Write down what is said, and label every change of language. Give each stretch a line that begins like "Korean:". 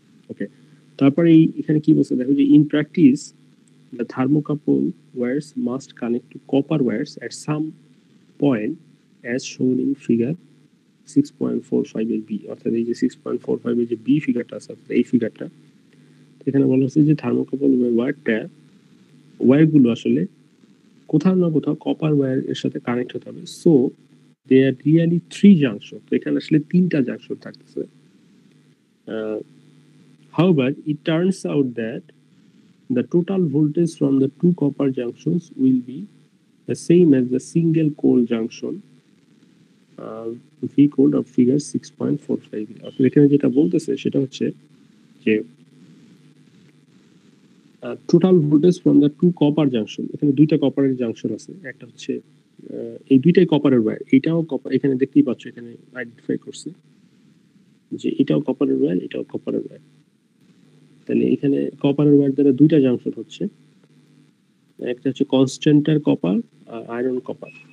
Bangla: ওকে, তারপরে এই এখানে কি বলছে দেখো যে
English: in practice the thermocouple wires must connect to copper wires at some point as shown in figure 6.45
Bangla: এর বি, অর্থাৎ এই যে 6.45 এর যে বি ফিগারটা আছে, এই ফিগারটা এখানে বলা হচ্ছে যে থার্মোকাপল ওয়্যারটা ওয়্যারগুলো আসলে কোথাও না কোথাও কপার ওয়ার এর সাথে কানেক্ট হতে হবে।
English: so they are really three junction,
Bangla: তো এখানে আসলে তিনটা জাংশন থাকছে।
English: However it turns out that the total voltage from the two copper junctions will be the same as the single coil junction V code of figure 6.45.
Bangla: এখানে যেটা বলতেছে সেটা হচ্ছে যে
English: total voltage from the two copper junction,
Bangla: এখানে দুইটা কপারের junction আছে, একটা হচ্ছে এই দুইটাই কপারের ওয়্যার, এটাও কপার, এখানে দেখতেই পাচ্ছ এখানে আইডেন্টিফাই করছে যে এটাও কপারের ওয়্যার এটাও কপারের ওয়্যার, তাহলে এখানে কপারের ওয়্যার দ্বারা দুইটা জাংশন হচ্ছে, একটা হচ্ছে কনস্ট্যান্টের কপার আর আয়রন কপার।